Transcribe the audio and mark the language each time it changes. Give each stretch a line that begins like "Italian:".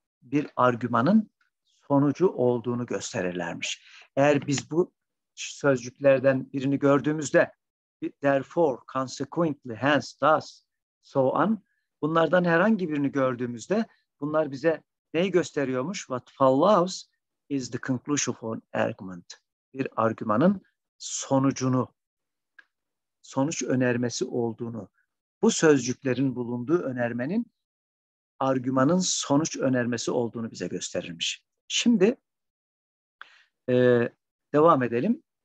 Turkish: Bir argümanın sonucu olduğunu gösterirlermiş. Eğer biz bu sözcüklerden birini gördüğümüzde,
English: therefore, consequently, hence, thus, so on,
Turkish: bunlardan herhangi birini gördüğümüzde, bunlar bize neyi gösteriyormuş?
English: What follows is the conclusion of an argument.
Turkish: Bir argümanın sonucunu, sonuç önermesi olduğunu, bu sözcüklerin bulunduğu önermenin argümanın sonuç önermesi olduğunu bize gösterirmiş. Şimdi devam edelim.